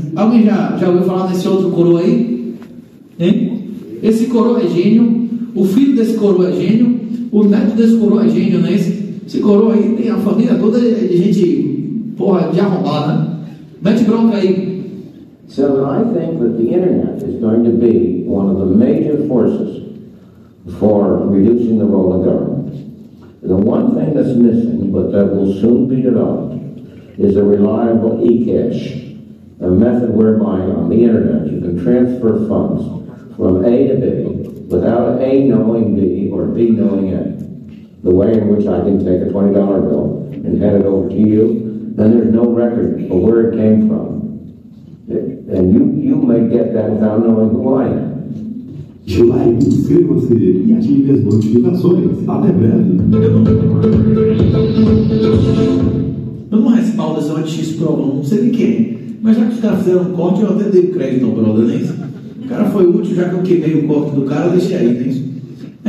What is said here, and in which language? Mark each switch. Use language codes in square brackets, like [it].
[pt] Alguém já ouviu falar desse outro coroa aí? Hein? Esse coroa é gênio. O filho desse coroa é gênio. O neto desse coroa é gênio, né? Esse coroa aí tem a família toda de gente, porra, de arrombada. Mete bronca aí. [en] So I think that the internet is going to be one of the major forces for reducing the role of government. The one thing that's missing, but that will soon be developed, is a reliable e-cash, a method whereby on the internet you can transfer funds from A to B without A knowing B or B knowing A. The way in which I can take a $20 bill and hand it over to you, then there's no record of where it came from. And you may get that without knowing who I am. [pt] De lá, inscreva-se e ative as notificações. Até breve. Eu não respaldo esse OTX Pro, não sei de quem. Mas já que os caras fizeram um corte, eu até dei crédito ao brother, né? O cara foi útil, já que eu queimei o corte do cara, eu deixei aí, né?